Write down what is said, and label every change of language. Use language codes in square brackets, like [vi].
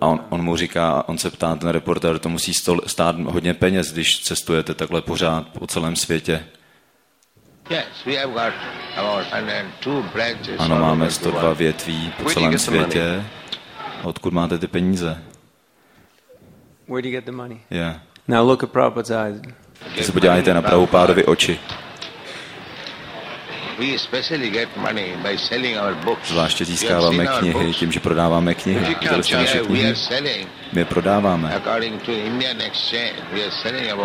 [cs] On mu říká, on se ptá ten reportér, to musí stát hodně peněz, když cestujete takhle pořád po celém světě. [en] Yes, we have got about 102 branches. [cs] Ano, máme 102 větví po celém světě. Odkud máte ty peníze? [en] Where do you get the money? Yeah. Now look at Prabhupada's eyes. [cs] Když se podíváte na Prabhupádovy oči. [en] We especially get money by selling our books. [cs] Zvláště získáváme knihy tím, že prodáváme knihy. Naše knihy. My je prodáváme. [en] According to Indian exchange, we are selling about